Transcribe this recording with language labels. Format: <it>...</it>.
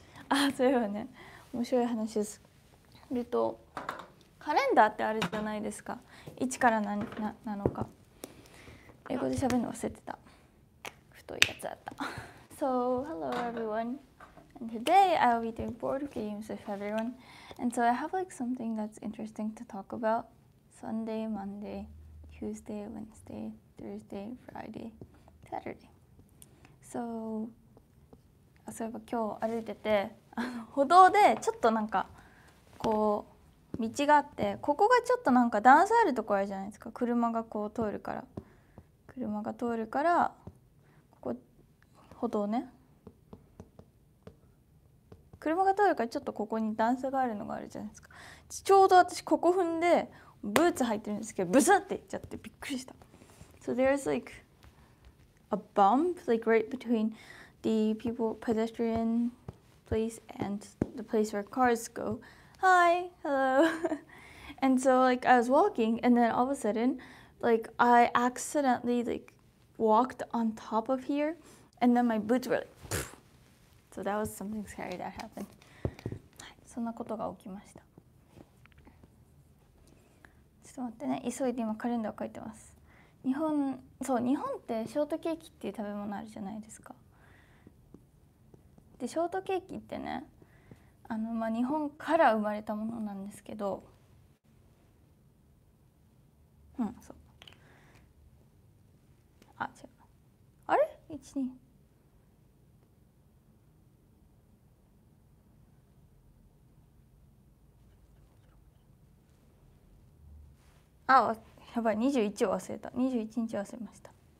<ja>あ、そういえばね、面白い話です。でとカレンダーってあるじゃないですか、1から何なのか。英語で喋るの忘れてた、太いやつだった。</ja> <en>So hello everyone、 and today I'll be doing board games with everyone、 and so I have like something that's interesting to talk about。 Sunday, Monday, Tuesday, Wednesday, Thursday, Friday, Saturday。</en> <ja>So、 そういえば今日歩いてて、歩道でちょっとなんかこう道があって、ここがちょっとなんか段差あるところじゃないですか、車がこう通るから、車が通るから、ここ歩道ね、車が通るから、ちょっとここに段差があるのがあるじゃないですか。ちょうど私ここ踏んでブーツ履いてるんですけど、ブスって行っちゃってびっくりした。</ja> <en>So there's like a bump like right between the people pedestrian place and the place where cars goHi, hello. And so like I was walking and then all of a sudden like I accidentally like walked on top of here and then my boots were like poof. So that was something scary that happened.</en> <ja>はい、そんなことが起きました。ちょっと待ってね、急いで今カレンダーを書いてます。日本、そう、日本ってショートケーキっていう食べ物あるじゃないですか。でショートケーキってね、あのまあ、日本から生まれたものなんですけど、うん、そう、あ、違う、あれ ?1、2、あ、やばい、21を忘れた、21日忘れました。</ja>